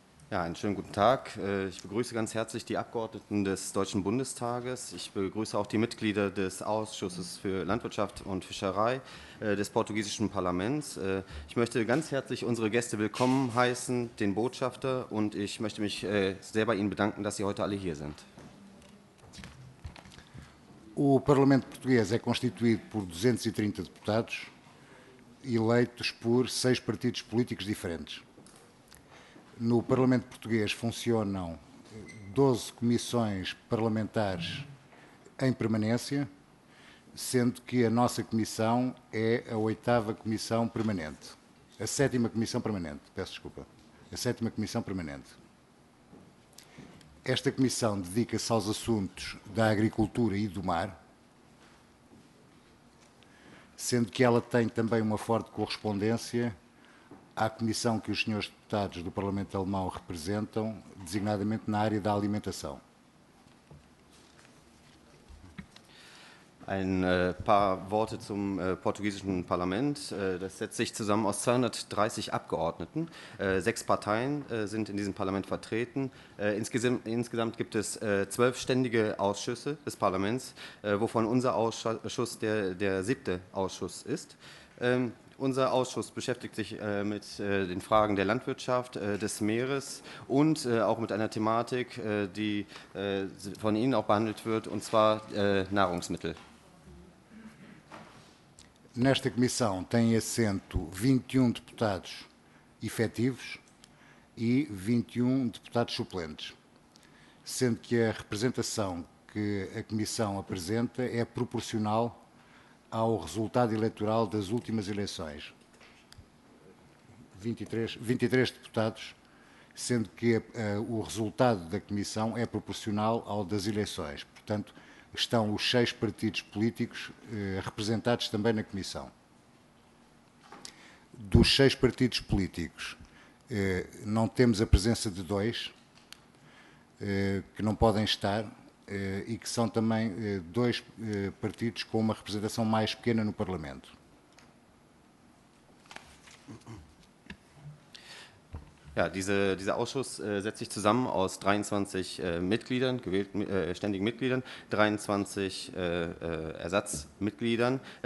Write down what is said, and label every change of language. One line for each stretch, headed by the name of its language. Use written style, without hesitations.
German: Ja, einen schönen guten Tag. Ich begrüße ganz herzlich die Abgeordneten des Deutschen Bundestages. Ich begrüße auch die Mitglieder des Ausschusses für Landwirtschaft und Fischerei des portugiesischen Parlaments. Ich möchte ganz herzlich unsere Gäste willkommen heißen, den Botschafter, und ich möchte mich sehr bei Ihnen bedanken, dass Sie heute alle hier sind.
Portuguese: O Parlamento Português é constituído por 230 deputados, eleitos por seis partidos políticos diferentes. No Parlamento Português funcionam 12 comissões parlamentares em permanência, sendo que a nossa comissão é a oitava comissão permanente. A sétima comissão permanente, peço desculpa. A sétima comissão permanente. Esta comissão dedica-se aos assuntos da agricultura e do mar, sendo que ela tem também uma forte correspondência à comissão que os senhores deputados do Parlamento Alemão representam, designadamente na área da alimentação.
German: Ein paar Worte zum portugiesischen Parlament. Das setzt sich zusammen aus 230 Abgeordneten. Sechs Parteien sind in diesem Parlament vertreten. Insgesamt gibt es 12 ständige Ausschüsse des Parlaments, wovon unser Ausschuss der siebte Ausschuss ist. Unser Ausschuss beschäftigt sich mit den Fragen der Landwirtschaft, des Meeres und auch mit einer Thematik, die von Ihnen auch behandelt wird, und zwar Nahrungsmittel.
Portuguese: Nesta comissão têm assento 21 deputados efetivos e 21 deputados suplentes, sendo que a representação que a comissão apresenta é proporcional ao resultado eleitoral das últimas eleições. 23 deputados, sendo que o resultado da comissão é proporcional ao das eleições. Portanto, estão os seis partidos políticos representados também na comissão. Dos seis partidos políticos, não temos a presença de dois que não podem estar e que são também dois partidos com uma representação mais pequena no Parlamento.
German: Ja, dieser Ausschuss setzt sich zusammen aus 23 Mitgliedern, ständigen Mitgliedern, 23 Ersatzmitgliedern.